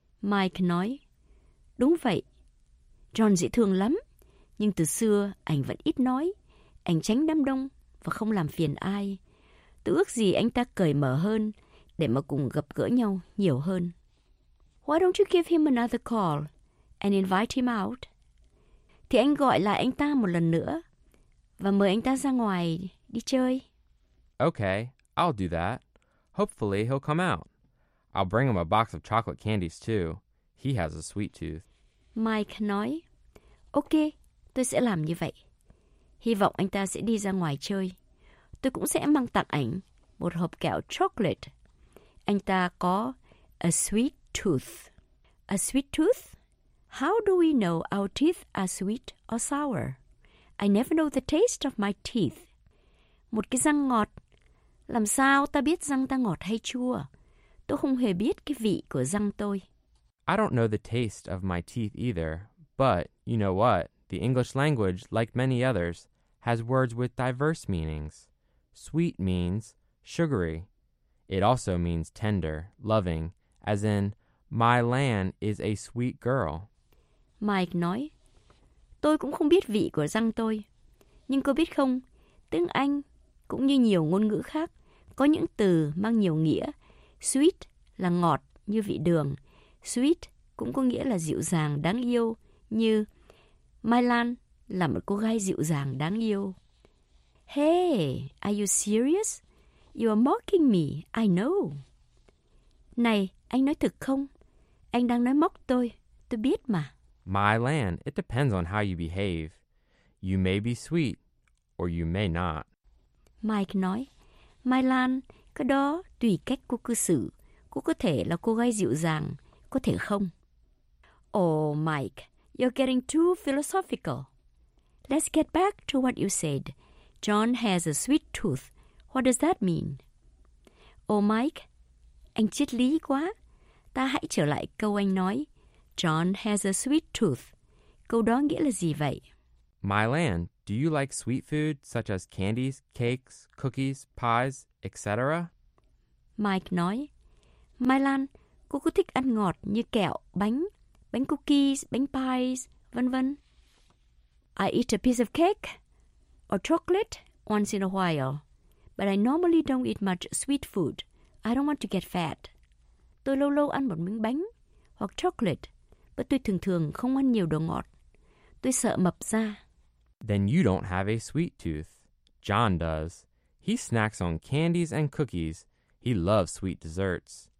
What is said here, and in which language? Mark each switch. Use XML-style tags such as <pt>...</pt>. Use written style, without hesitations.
<vi>Mike nói, đúng vậy. John dễ thương lắm, nhưng từ xưa anh vẫn ít nói. Anh tránh đám đông và không làm phiền ai. Tôi ước gì anh ta cởi mở hơn để mà cùng gặp gỡ nhau nhiều hơn.</vi> <en>Why don't you give him another call and invite him out?</en> <vi>Thì anh gọi lại anh ta một lần nữa và mời anh ta ra ngoài đi chơi.</vi> <en>Okay, I'll do that. Hopefully he'll come out. I'll bring him a box of chocolate candies too. He has a sweet tooth.</en> <vi>Mike nói, ok, tôi sẽ làm như vậy. Hy vọng anh ta sẽ đi ra ngoài chơi. Tôi cũng sẽ mang tặng anh một hộp kẹo chocolate. Anh ta có a sweet tooth.</vi> <en>A sweet tooth? How do we know our teeth are sweet or sour? I never know the taste of my teeth.</en> <vi>Một cái răng ngọt. Làm sao ta biết răng ta ngọt hay chua? Tôi không hề biết cái vị của răng tôi.</vi> <en>I don't know the taste of my teeth either. But, you know what? The English language, like many others, has words with diverse meanings. Sweet means sugary. It also means tender, loving, as in, my Lan is a sweet girl.</en> <vi>Mike nói, tôi cũng không biết vị của răng tôi. Nhưng cô biết không, tiếng Anh, cũng như nhiều ngôn ngữ khác, có những từ mang nhiều nghĩa. Sweet là ngọt như vị đường. Sweet cũng có nghĩa là dịu dàng, đáng yêu, như My Lan là một cô gái dịu dàng, đáng yêu.</vi> <en>Hey, are you serious? You are mocking me, I know.</en> <vi>Này, anh nói thật không? Anh đang nói móc tôi biết mà.</vi> <en>My Lan, it depends on how you behave. You may be sweet, or you may not.</en> <vi>Mike nói, My Lan, cái đó tùy cách cô cư xử. Cô có thể là cô gái dịu dàng, có thể không?</vi> <en>Oh, Mike, you're getting too philosophical. Let's get back to what you said. John has a sweet tooth. What does that mean?</en> <vi>Oh, Mike, anh triết lý quá. Ta hãy trở lại câu anh nói.</vi> <en>John has a sweet tooth.</en> <vi>Câu đó nghĩa là gì vậy?</vi> <en>My Lan, do you like sweet food such as candies, cakes, cookies, pies, etc.?</en> <vi>Mike nói, My Lan, cô có thích ăn ngọt như kẹo, bánh, bánh cookies, bánh pies, vân vân.</vi> <en>I eat a piece of cake or chocolate once in a while, but I normally don't eat much sweet food. I don't want to get fat.</en> <vi>Tôi lâu lâu ăn một miếng bánh hoặc chocolate, but tôi thường thường không ăn nhiều đồ ngọt. Tôi sợ mập ra.</vi> <en>Then you don't have a sweet tooth. John does. He snacks on candies and cookies. He loves sweet desserts.</en>